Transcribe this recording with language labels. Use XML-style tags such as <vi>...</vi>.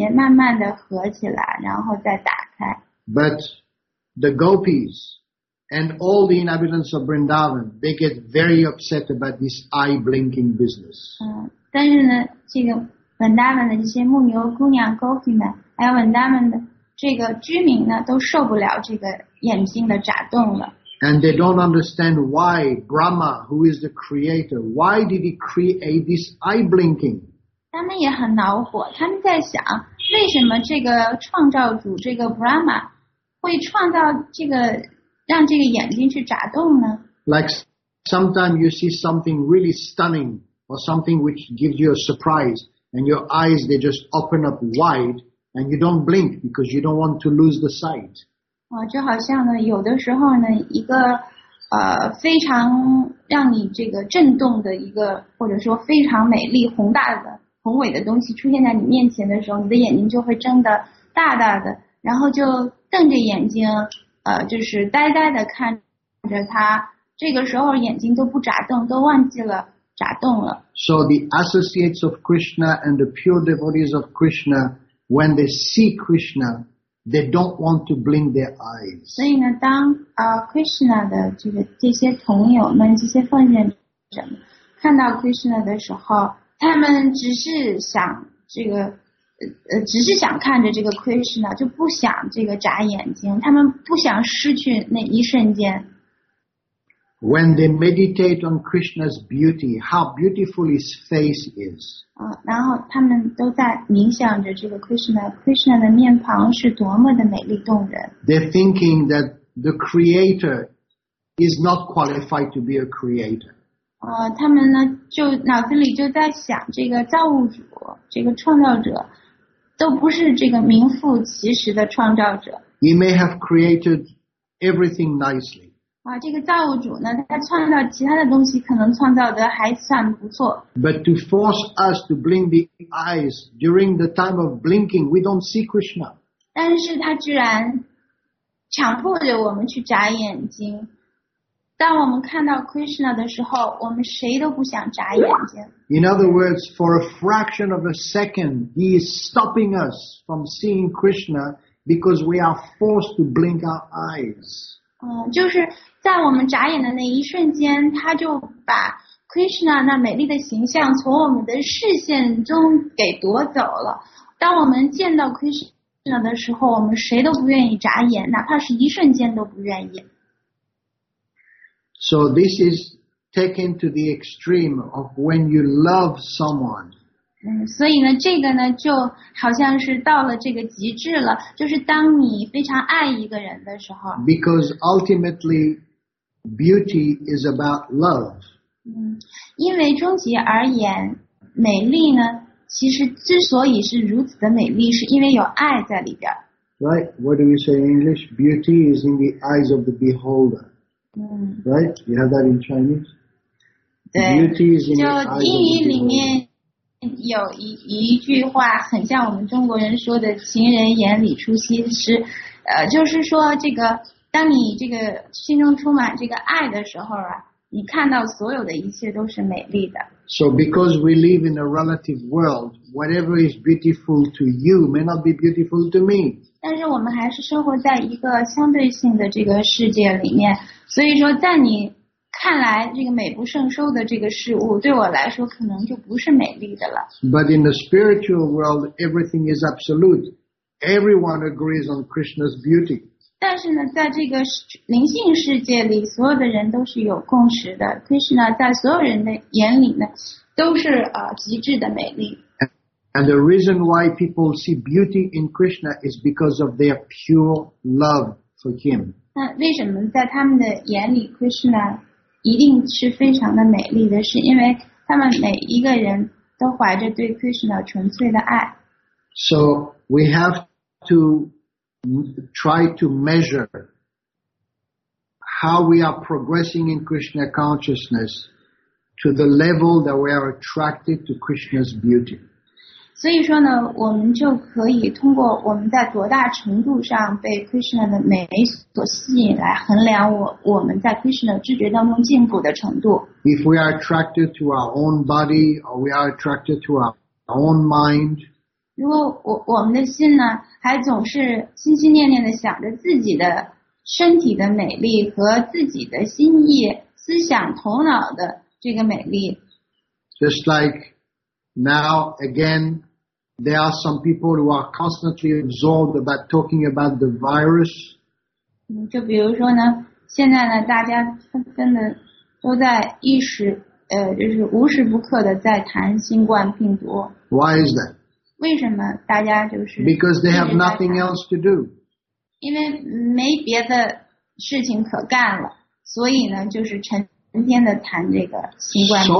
<zh>那如果说我们把这眨眼的这个过程变成慢动作的话，那你就会看到这个眼皮上眼上下眼皮慢慢的合起来，然后再打开。</zh> <en>But the gopis and all the inhabitants of Vrindavan, they get very upset about this eye blinking business.</en> <zh>但是呢，这个Vrindavan的这些牧牛姑娘gopis们，还有Vrindavan的 这个居民呢，都受不了这个眼睛的眨动了。</zh> <en>And they don't understand why Brahma, who is the creator, why did he create this eye blinking?</en> <zh>他们也很恼火，他们在想，为什么这个创造主这个 Brahma 会创造这个让这个眼睛去眨动呢？</zh> <en>Like sometimes you see something really stunning or something which gives you a surprise, and your eyes they just open up wide. And you don't blink because you don't want to lose the sight.</en> <zh>就好像呢，有的时候呢，一个非常让你这个震动的一个，或者说非常美丽宏大的宏伟的东西出现在你面前的时候，你的眼睛就会睁得大大的，然后就瞪着眼睛，就是呆呆的看着它。这个时候眼睛都不眨动，都忘记了眨动了。</zh> <en>So the associates of Krishna and the pure devotees of Krishna, when they see Krishna, they don't want to blink their eyes.</en> <zh>所以呢，当Krishna 的这些同友们、这些奉献者们看到 Krishna 的时候，他们只是想这个。只是想看着这个 Krishna， 就不想这个眨眼睛，他们不想失去那一瞬间。</zh> <en>When they meditate on Krishna's beauty, how beautiful his face is.</en> <zh>然后他们都在冥想着这个 Krishna 的面庞是多么的美丽动人。</zh> <en>They're thinking that the creator is not qualified to be a creator.</en> <zh>他们呢，就脑子里就在想这个造物主，这个创造者。都不是这个名副其实的创造者。</zh> <en>He may have created everything nicely.</en> <zh>这个造物主呢，他创造其他的东西可能创造得还算不错。</zh> <en>But to force us to blink the eyes during the time of blinking, we don't see Krishna.</en> <zh>但是他居然强迫着我们去眨眼睛。当我们看到 Krishna 的时候，我们谁都不想眨眼睛。</zh> <en>In other words, for a fraction of a second, he is stopping us from seeing Krishna because we are forced to blink our eyes.</en> <zh>就是在我们眨眼的那一瞬间，他就把 Krishna 那美丽的形象从我们的视线中给夺走了。当我们见到 Krishna 的时候，我们谁都不愿意眨眼，哪怕是一瞬间都不愿意。</zh> <en>So this is taken to the extreme of when you love someone.</en> <zh>所以呢，这个呢，就好像是到了这个极致了，就是当你非常爱一个人的时候。</zh> <en>Because ultimately, beauty is about love.</en> <zh>因为终极而言，美丽呢，其实之所以是如此的美丽，是因为有爱在里边。</zh> <en>Right? What do you say in English? Beauty is in the eyes of the beholder. Right, you have that in Chinese.</en> <zh>对，</zh> <en>Beauty is in</en> <zh>就英语里面有一句话，很像我们中国人说的"情人眼里出西施"，就是说这个，当你这个心中充满这个爱的时候啊，你看到所有的一切都是美丽的。</zh> <en>So because we live in a relative world, whatever is beautiful to you may not be beautiful to me.</en> <zh>但是我们还是生活在一个相对性的这个世界里面。所以说在你看来这个美不胜收的这个事物对我来说可能就不是美丽的了。</zh> <en>But in the spiritual world, everything is absolute. Everyone agrees on Krishna's beauty.</en> <zh>但是呢，在这个灵性世界里，所有的人都是有共识的。 Krishna 在所有人的眼里呢，都是极致的美丽。</zh> <en>And the reason why people see beauty in Krishna is because of their pure love for him.</en> <zh>那为什么在他们的眼里 Krishna 一定是非常的美丽的，是因为他们每一个人都怀着对 Krishna 纯粹的爱。</zh> <en>So we have to try to measure how we are progressing in Krishna consciousness to the level that we are attracted to Krishna's beauty.</en> <zh>所以说呢，我们就可以通过我们在多大程度上被 Krishna 的美所吸引来衡量我们在 Krishna 知觉当中进步的程度。</zh> <en>If we are attracted to our own body or we are attracted to our own mind,</en> <zh>如果我们的心呢还总是心心念念的想着自己的身体的美丽和自己的心意思想头脑的这个美丽。</zh> <en>Just like now, again, there are some people who are constantly absorbed about talking about the virus.</en> <zh>就比如说呢，现在呢，大家纷纷的都在就是无时不刻的在谈新冠病毒。</zh> <en>Why is that?</en> <zh>为什么大家就是</zh> <en>Because they have nothing else to do.</en> <zh>因为没别的事情可干了，所以呢，就是成天的谈这个新冠病毒。</zh>